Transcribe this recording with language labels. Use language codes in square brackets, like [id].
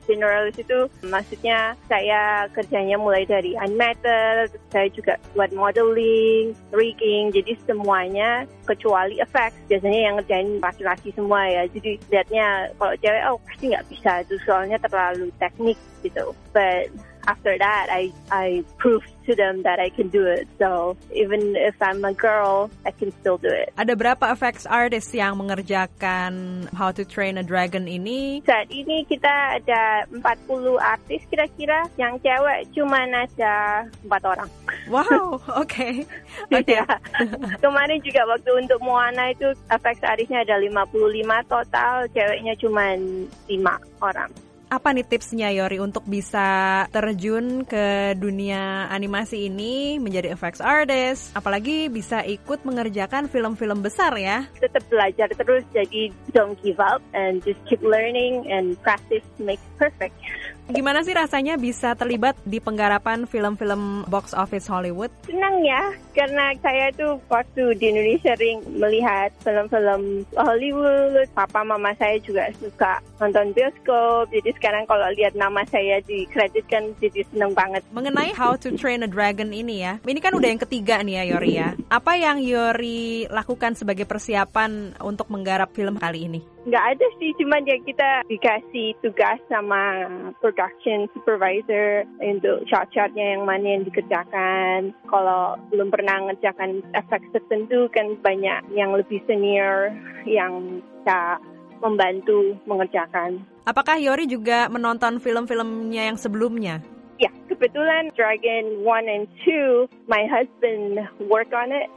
[id] Generalist itu maksudnya saya kerjanya mulai dari animator, saya juga buat modeling, rigging, jadi semuanya kecuali effects. Biasanya yang ngerjain laki-laki semua ya. Jadi lihatnya kalau cewek, oh pasti nggak bisa itu soalnya terlalu teknik gitu. [en] But after that, I proved to them that I can do it. So even if I'm a girl, I can still do it. [id] Ada berapa effects artist yang mengerjakan How to Train a Dragon ini? Saat ini kita ada 40 artis kira-kira. Yang cewek cuma ada 4 orang. [en] Wow, okay. [id] Kemarin juga waktu untuk Moana itu effects artistnya ada 55 total, ceweknya cuma 5 orang. Apa nih tipsnya Yori untuk bisa terjun ke dunia animasi ini menjadi effects artist, apalagi bisa ikut mengerjakan film-film besar ya? Tetap belajar terus, jadi [en] don't give up and just keep learning and practice makes perfect. [id] Gimana sih rasanya bisa terlibat di penggarapan film-film box office Hollywood? Senang ya, karena saya tuh waktu di Indonesia sering melihat film-film Hollywood. Papa mama saya juga suka nonton bioskop. Jadi sekarang kalau lihat nama saya dikreditkan, jadi senang banget. Mengenai How to Train a Dragon ini ya, ini kan udah yang ketiga nih ya Yori ya. Apa yang Yori lakukan sebagai persiapan untuk menggarap film kali ini? Nggak ada sih, cuman ya kita dikasih tugas sama production supervisor untuk shot-shotnya yang mana yang dikerjakan. Kalau belum pernah ngerjakan efek tertentu kan banyak yang lebih senior yang bisa membantu mengerjakan. Apakah Yori juga menonton film-filmnya yang sebelumnya? Ya, kebetulan [en] Dragon 1 and 2, my husband work on it.